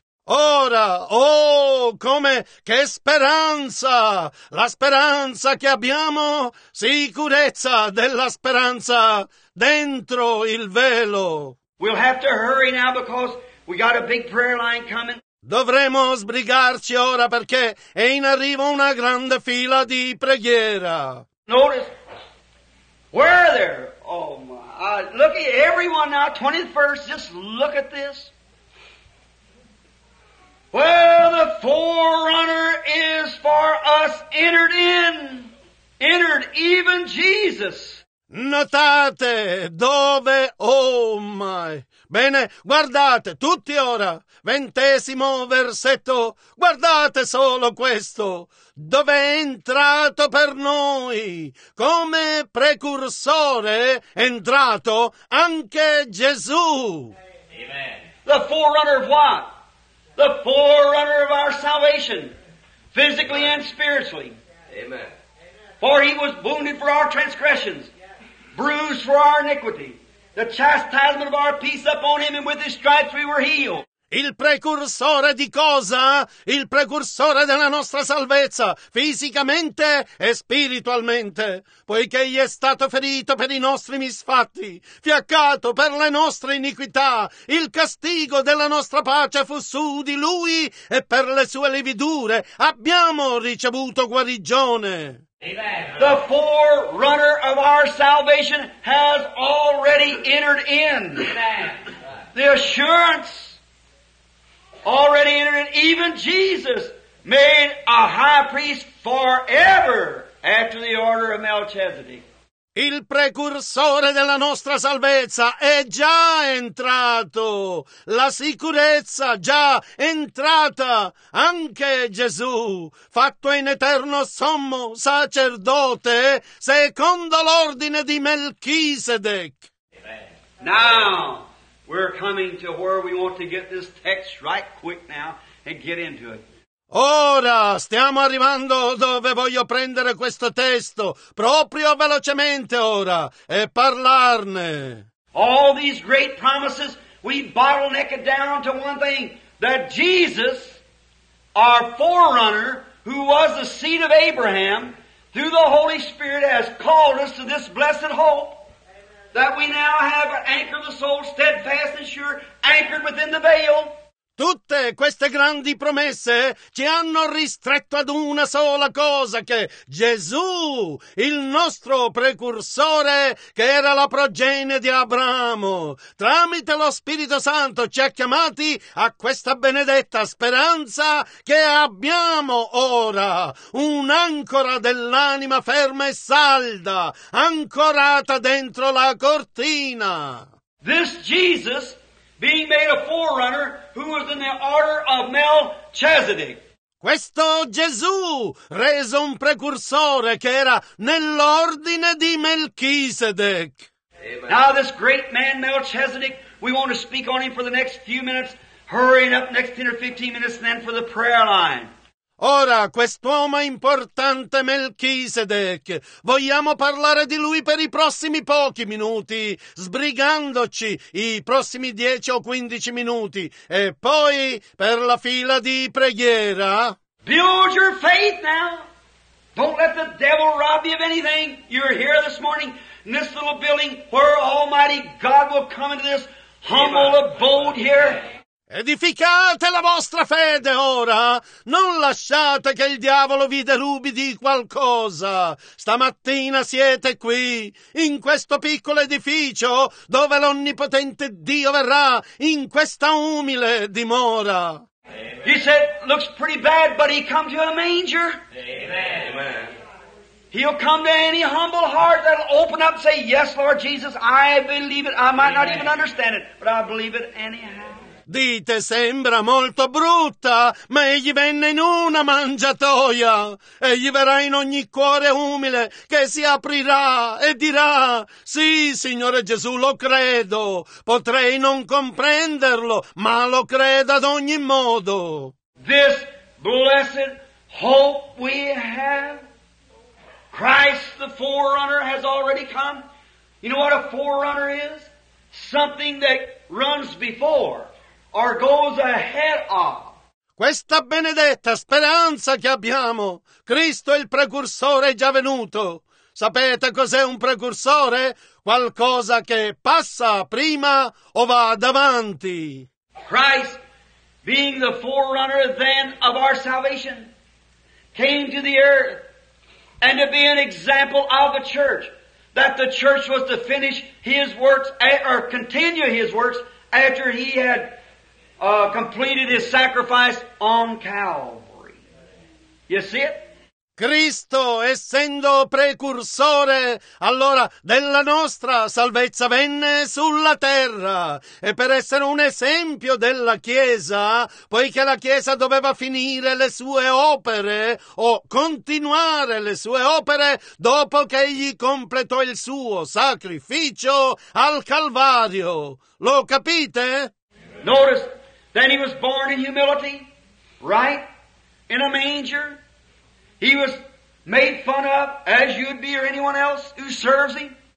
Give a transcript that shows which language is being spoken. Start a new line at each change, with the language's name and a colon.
Italian: Ora, come che speranza, la speranza che abbiamo, sicurezza della speranza dentro il velo.
English: We'll have to hurry now because we got a big prayer line coming.
Italian: Dovremo sbrigarci ora perché è in arrivo una grande fila di preghiera.
English: Notice, where are there? Oh my, look at everyone now, 21st, just look at this. Well, the forerunner is for us entered in, entered even Jesus.
Italian: Notate dove,
English: oh my.
Italian: Bene, guardate, tutti ora, 20° versetto, guardate solo questo, dove è entrato per noi, come precursore è entrato anche Gesù.
English: Amen. The forerunner of what? The forerunner of our salvation, physically and spiritually. Amen. For he was wounded for our transgressions, bruised for our iniquity. The chastisement of our peace upon him, and with his stripes we were healed.
Italian: Il precursore di cosa? Il precursore della nostra salvezza, fisicamente e spiritualmente, poiché egli è stato ferito per i nostri misfatti, fiaccato per le nostre iniquità, il castigo della nostra pace fu su di lui, e per le sue lividure abbiamo ricevuto guarigione.
English: Amen. The forerunner of our salvation has already entered in. Amen. The assurance already entered in. Even Jesus made a high priest forever after the order of Melchizedek.
Italian: Il precursore della nostra salvezza è già entrato. La sicurezza già entrata. Anche Gesù, fatto in eterno sommo sacerdote, secondo l'ordine di Melchisedec.
English: Amen. Now, we're coming to where we want to get this text right quick now and get into it.
Italian: Ora stiamo arrivando dove voglio prendere questo testo, proprio velocemente ora, e parlarne.
English: All these great promises, we bottleneck it down to one thing, that Jesus, our forerunner, who was the seed of Abraham, through the Holy Spirit has called us to this blessed hope, that we now have an anchor of the soul, steadfast and sure, anchored within the veil.
Italian: Tutte queste grandi promesse ci hanno ristretto ad una sola cosa, che Gesù, il nostro precursore, che era la progenie di Abramo, tramite lo Spirito Santo ci ha chiamati a questa benedetta speranza che abbiamo ora, un'ancora dell'anima ferma e salda, ancorata dentro la cortina.
English: This Jesus, being made a forerunner, who was in the order of Melchizedek.
Italian: Questo Gesù, reso un precursore che era nell'ordine di Melchisedec.
English: Amen. Now this great man Melchizedek, we want to speak on him for the next few minutes, hurrying up next 10 or 15 minutes, and then for the prayer line.
Italian: Ora, quest'uomo importante Melchisedec, vogliamo parlare di lui per i prossimi pochi minuti, sbrigandoci i prossimi 10 o 15 minuti, e poi per la fila di preghiera.
English: Build your faith now. Don't let the devil rob you of anything. You're here this morning in this little building where Almighty God will come into this humble abode here.
Italian: Edificate la vostra fede ora, non lasciate che il diavolo vi derubi di qualcosa. Stamattina siete qui, in questo piccolo edificio, dove l'onnipotente Dio verrà, in questa umile dimora.
English: Amen. He said, looks pretty bad, but he come to a manger. Amen. He'll come to any humble heart that'll open up and say, yes, Lord Jesus, I believe it. I might not even understand it, but I believe it anyhow.
Italian: Dite, sembra molto brutta, ma egli venne in una mangiatoia. Egli verrà in ogni cuore umile che si aprirà e dirà, sì, Signore Gesù, lo credo. Potrei non comprenderlo, ma lo credo ad ogni modo.
English: This blessed hope we have, Christ the forerunner has already come. You know what a forerunner is? Something that runs before. Or goes ahead of.
Italian: Questa benedetta speranza che abbiamo, Cristo il precursore è già venuto. Sapete cos'è un precursore? Qualcosa che passa prima o va davanti.
English: Christ, being the forerunner then of our salvation, came to the earth and to be an example of the church, that the church was to finish his works or continue his works after he had completed his sacrifice on Calvary. You see it?
Italian: Cristo, essendo precursore, allora della nostra salvezza venne sulla terra. E per essere un esempio della Chiesa, poiché la Chiesa doveva finire le sue opere o continuare le sue opere dopo che egli completò il suo sacrificio al Calvario. Lo capite?
English: Notice, then he was born in humility, right? In a manger. He was made fun of as you'd be or anyone else who serves him.